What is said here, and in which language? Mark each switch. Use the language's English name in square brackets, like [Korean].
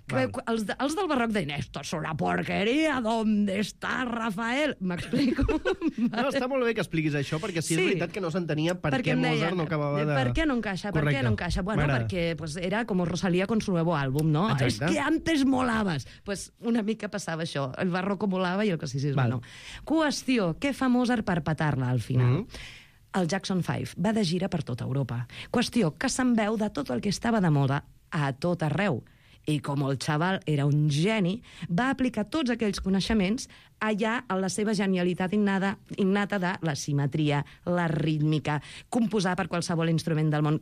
[Catalan] Que, els del barroc deien, [Spanish] esto es una porquería, ¿dónde está Rafael? [Catalan] M'explico. No, està molt bé que expliquis això, perquè sí, és veritat que no s'entenia perquè Mozart deien, no acabava de... Per què no encaixa? Correcte. Per què no encaixa? Bueno, m'agrada. Perquè [Spanish] pues, [Catalan] era com [Spanish] Rosalía con su nuevo álbum, ¿no? [Catalan] Exacte. [Spanish] Es que antes molaves. [Catalan] Pues una mica passava això. El barroco molava i el classicisme, val, no. Qüestió, què fa Mozart per petar-la al final? Mm-hmm. El Jackson 5 va de gira per tota Europa. Qüestió que se'n veu de tot el que estava de moda a tot arreu. I com el xaval era un geni, va aplicar tots aquells coneixements allà a la seva genialitat innata de la simetria, la rítmica, composar per qualsevol instrument del món.